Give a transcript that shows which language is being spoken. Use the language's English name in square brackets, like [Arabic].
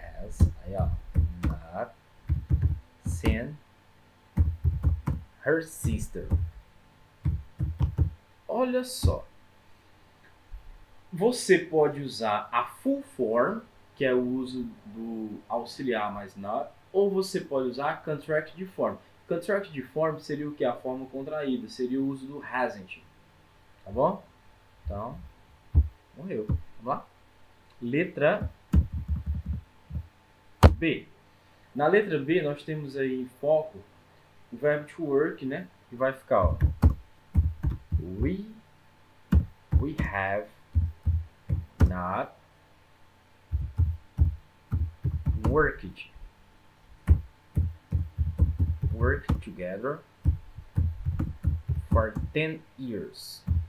[English] Has, [Portuguese] aí ó, [English] not seen her sister. [Portuguese] Olha só, você pode usar a full form, que é o uso do auxiliar mais not, ou você pode usar a contracted form. Contracted form seria o quê? A forma contraída, seria o uso do hasn't. Tá bom? Então, morreu. Vamos lá? Letra B. Na letra B, nós temos aí em foco o verbo to work, né? Que vai ficar, ó. [English] We have not worked together for 10 years.